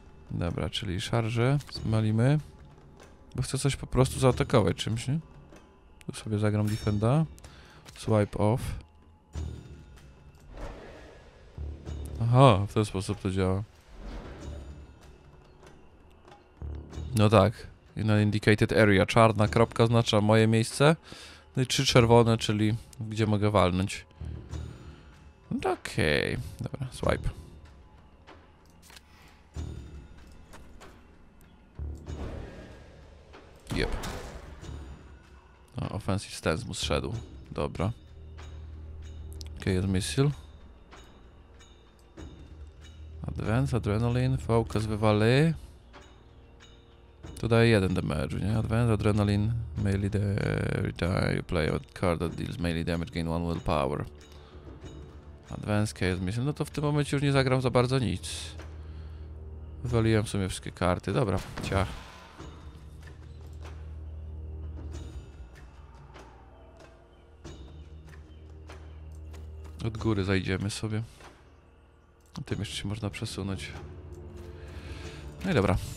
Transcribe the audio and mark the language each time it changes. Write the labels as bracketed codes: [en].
[pl] Dobra, czyli szarże, zmalimy. Bo chcę coś po prostu zaatakować czymś, nie? Tu sobie zagram Defenda. [en] Swipe off. [pl] Aha, w ten sposób to działa. No tak, [en] in an indicated area. [pl] Czarna kropka oznacza moje miejsce. No i 3 czerwone, czyli gdzie mogę walnąć. Okej, okay. Dobra, swipe. Yep. No, offensive stance mu zszedł. Dobra. Chaos Missile. Advance, Adrenaline, Focus, wywali. To daje jeden damage, nie? [en] Advance, Adrenaline, melee damage. You play a card that deals melee damage, gain 1 willpower. Advance, Chaos Missile. [pl] No to w tym momencie już nie zagram za bardzo nic. Wywaliłem w sumie wszystkie karty. Dobra, ciach. Od góry zajdziemy sobie. Tym jeszcze się można przesunąć. No i dobra.